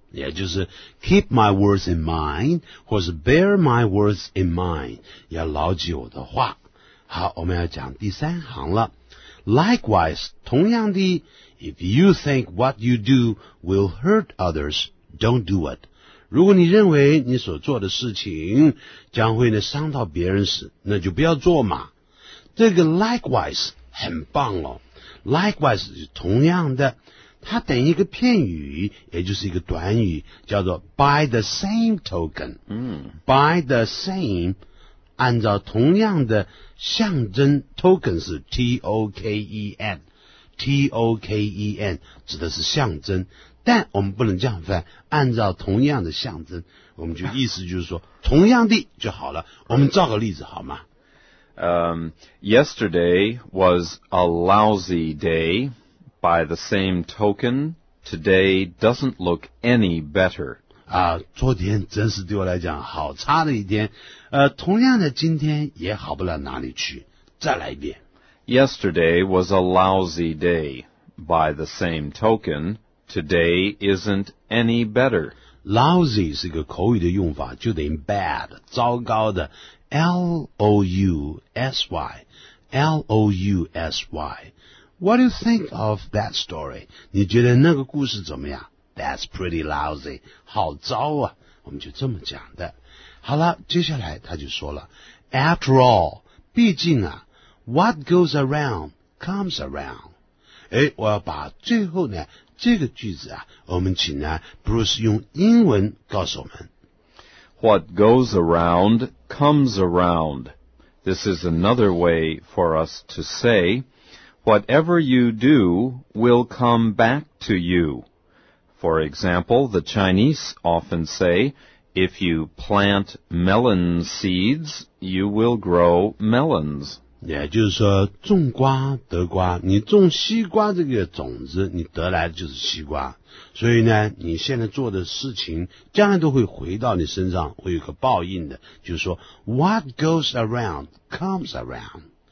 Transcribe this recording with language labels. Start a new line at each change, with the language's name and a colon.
English: Yeah,
Chinese: 就是
English: keep my words in mind,
Chinese: 或是
English: bear my words in mind,
Chinese: 要牢记我的话。好，我们要讲第三行了。
English: Likewise,
Chinese: 同样的
English: if you think what you do will hurt others, don't do it.
Chinese: 如果你认为你所做的事情将会呢伤到别人时，那就不要做嘛。这个 likewise 很棒哦。Likewise 是同样的它等于一个片语也就是一个短语叫做
English: by the same token、嗯、 by the same
Chinese: 按照同样的象征 token 是 T-O-K-E-N T-O-K-E-N 指的是象征但我们不能这样翻按照同样的象征我们就意思就是说同样的就好了我们造个例子好吗
English: Yesterday was a lousy day. By the same token, today doesn't look any better.
Chinese: 啊，昨天真是对我来讲好差的一天。同样的，今天也好不了哪里去。再来一遍。
English: Yesterday was a lousy day. By the same token, today isn't any better.
Chinese: Lousy 是个口语的用法，就等于 bad， 糟糕的。
English: L-O-U-S-Y L-O-U-S-Y What do you think of that story?
Chinese: 你觉得那个故事怎么样?
English: That's pretty lousy
Chinese: 好糟啊我们就这么讲的好了接下来他就说了
English: After all,
Chinese: 毕竟啊
English: ,what goes around comes around.
Chinese: 诶我要把最后呢这个句子啊我们请呢 Bruce 用英文告诉我们。
English: What goes around comes around. This is another way for us to say, whatever you do will come back to you. For example, the Chinese often say,If you plant melon seeds, you will grow melons.
Chinese: 也就是说种瓜得瓜，你种西瓜这个种子，你得来的就是西瓜。所以呢，你现在做的事情，将来都会回到你身上，会有个报应的。就是说
English: ,what goes around comes around.